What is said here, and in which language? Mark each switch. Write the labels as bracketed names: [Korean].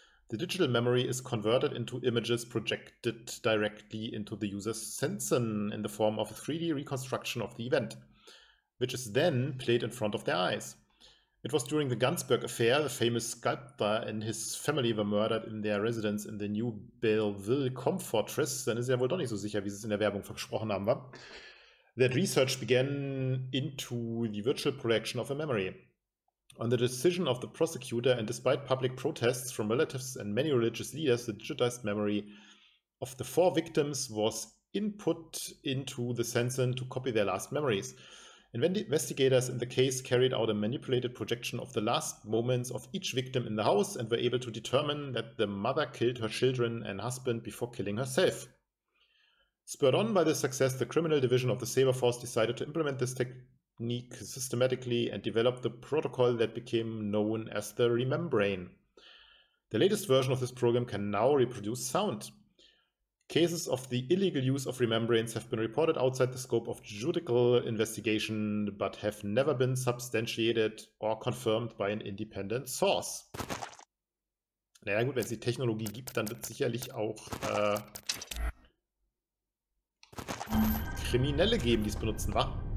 [English] The digital memory is converted into images projected directly into the user's sensen in the form of a 3D reconstruction of the event, which is then played in front of their eyes. It was during the Gunsberg affair, the famous sculptor and his family were murdered in their residence in the New Belleville Comfortress. [German] Dann ist ja wohl doch nicht so sicher, wie sie es in der Werbung versprochen haben, wa? [English] That research began into the virtual projection of a memory. On the decision of the prosecutor and despite public protests from relatives and many religious leaders, the digitized memory of the four victims was input into the sensen to copy their last memories. Investigators in the case carried out a manipulated projection of the last moments of each victim in the house and were able to determine that the mother killed her children and husband before killing herself. Spurred on by this success, the criminal division of the Sabre Force decided to implement this technique systematically and developed the protocol that became known as the Remembrane. The latest version of this program can now reproduce sound. Cases of the illegal use of remembrance have been reported outside the scope of judicial investigation, but have never been substantiated or confirmed by an independent source. [German] Naja gut, wenn es die Technologie gibt, dann wird sicherlich auch Kriminelle geben, die es benutzen, wa?